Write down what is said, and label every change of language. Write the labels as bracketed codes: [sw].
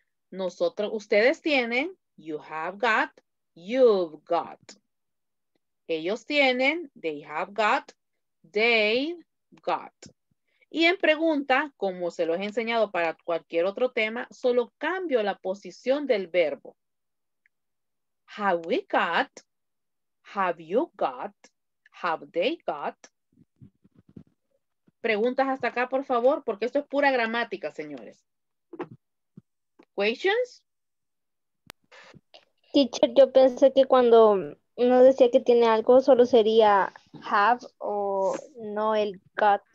[es] Nosotros, ustedes tienen, [en] you have got, you've got. [es] Ellos tienen, [en] they have got, they've got. [es] Y en pregunta, como se los he enseñado para cualquier otro tema, solo cambio la posición del verbo. [en] Have we got, have you got, have they got? [es] Preguntas hasta acá, por favor, porque esto es pura gramática, señores. [en] Questions? [es] Teacher, yo pensé que cuando uno decía que tiene algo, solo sería have o no el got.